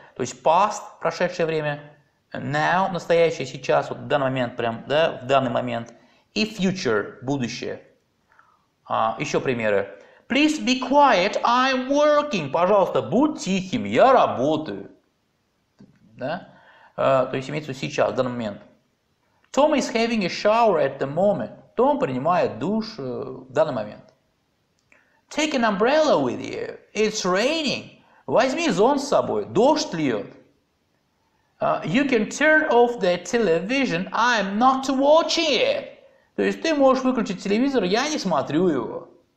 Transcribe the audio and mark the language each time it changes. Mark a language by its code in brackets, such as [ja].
[ru] То есть past, прошедшее время, now, настоящее, сейчас, вот в данный момент прям, да, в данный момент. И future, будущее. Еще примеры. [en] Please be quiet, I'm working. [ru] Пожалуйста, будь тихим, я работаю. Да? То есть имеется в виду сейчас, в данный момент. [en] Tom is having a shower at the moment. [ru] Том принимает душ в данный момент. [en] Take an umbrella with you. It's raining. [ru] Возьми зонт с собой. Дождь льет. [en] You can turn off the television. I'm not watching it. [ru] То есть ты можешь выключить телевизор, я не смотрю его.